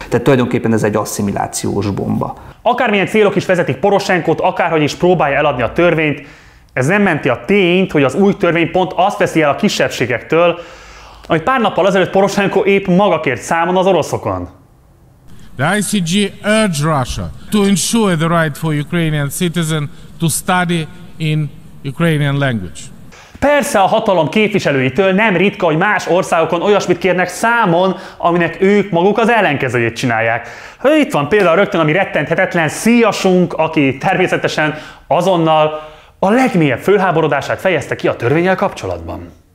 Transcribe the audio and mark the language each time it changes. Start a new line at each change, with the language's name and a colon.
Hungarian: Tehát tulajdonképpen ez egy asszimilációs bomba. Akármilyen célok is vezetik Poroshenkót, akárhogy is próbálja eladni a törvényt, ez nem menti a tényt, hogy az új törvény pont azt veszi el a kisebbségektől, amit pár nappal ezelőtt Poroshenko épp maga kért számon az oroszokon.
English: The ICG urged Russia to ensure the right for Ukrainian citizen to study in Ukrainian language.
Hungarian: Persze a hatalom képviselőitől nem ritka, hogy más országokon olyasmit kérnek számon, aminek ők maguk az ellenkezőjét csinálják. Itt van például rögtön a mi rettenthetetlen szíjasunk, aki természetesen azonnal a legmélyebb fölháborodását fejezte ki a törvénnyel kapcsolatban.